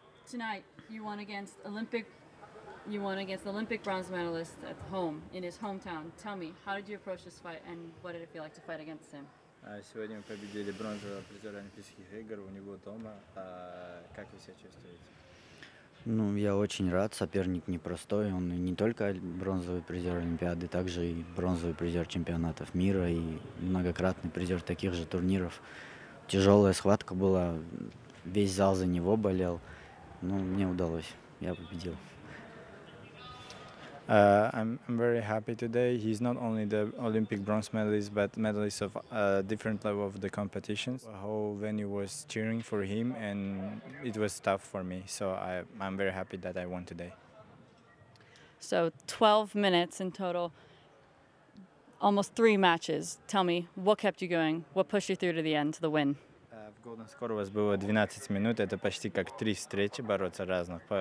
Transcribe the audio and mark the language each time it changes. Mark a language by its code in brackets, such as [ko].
[en] tonight you won against Olympic, you won against the Olympic bronze medalist at home in his hometown. Tell me, how did you approach this fight, and what did it feel like to fight against him? [ru] Сегодня мы победили бронзового призера Олимпийских игр у него дома. Как вы себя чувствуете? Ну, я очень рад. Соперник непростой. Он не только бронзовый призер Олимпиады, также и бронзовый призер чемпионатов мира и многократный призер таких же турниров. Тяжелая схватка была. Весь зал за него болел. Ну, мне удалось. Я победил. [en] I'm very happy today. He's not only the Olympic bronze medalist, but medalist of a different level of the competitions. The whole venue was cheering for him, and it was tough for me. So I'm very happy that I won today. So 12 minutes in total, almost three matches. Tell me, what kept you going? What pushed you through to the end, to the win? [ru] Golden score у вас было 12 минут, это почти как три встречи бороться разных.